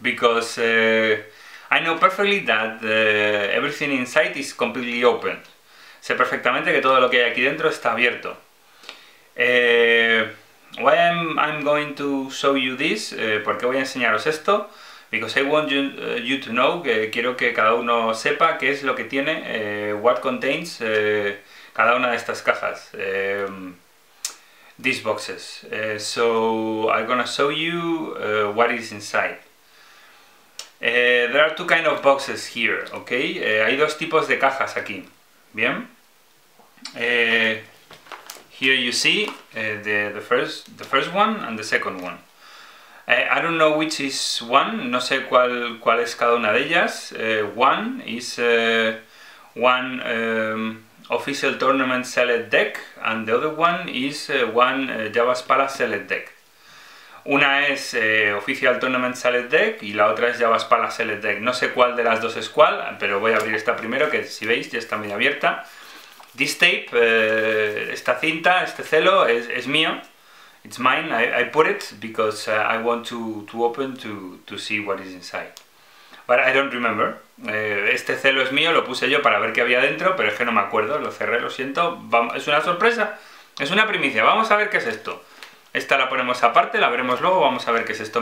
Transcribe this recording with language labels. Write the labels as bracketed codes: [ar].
[en] Because I know perfectly that everything inside is completely open. [es] Sé perfectamente que todo lo que hay aquí dentro está abierto. [en] Why I'm going to show you this? [es] ¿Por qué voy a enseñaros esto? [en] Because I want you, you to know, [es] que quiero que cada uno sepa qué es lo que tiene, [en] what contains [es] cada una de estas cajas. [en] These boxes. So I'm gonna show you what is inside. There are two kind of boxes here, okay? [es] Hay dos tipos de cajas aquí. Bien. [en] Here you see the first one and the second one. I don't know which is one. [es] No sé cuál es cada una de ellas. [en] One is one. Official tournament select deck, and the other one is one Jabba's Palace select deck. [es] Una es official tournament select deck y la otra es Jabba's Palace select deck. No sé cuál de las dos es cuál, pero voy a abrir esta primero, que si veis ya está muy abierta. [en] This tape, [es] esta cinta, este celo es mío. [en] It's mine. I put it because I want to open to see what is inside. But I don't remember. [es] Este celo es mío, lo puse yo para ver qué había dentro, pero es que no me acuerdo, lo cerré, lo siento. Vamos, es una sorpresa, es una primicia, vamos a ver qué es esto. Esta la ponemos aparte, la veremos luego, vamos a ver qué es esto.